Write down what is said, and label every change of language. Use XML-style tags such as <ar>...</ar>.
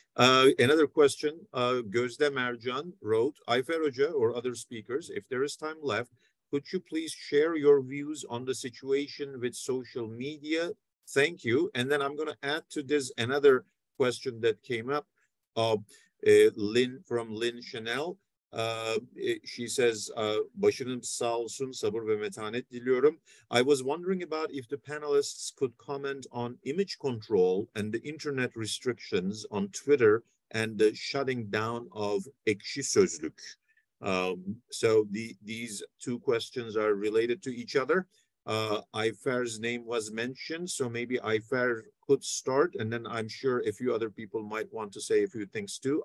<en>Another question, Gözde Mercan wrote, Ayfer Hoca or other speakers, if there is time left, could you please share your views on the situation with social media? Thank you. And then I'm going to add to this another question that came up Lynn Chanel. She says,</en> <tr>başınız sağ olsun, sabır ve metanet diliyorum.</tr> <en>I was wondering about if the panelists could comment on image control and the internet restrictions on Twitter and the shutting down of Ekşi Sözlük. So these two questions are related to each other. Ayfer's name was mentioned, so maybe Ayfer could start, and then I'm sure a few other people might want to say a few things too.</en>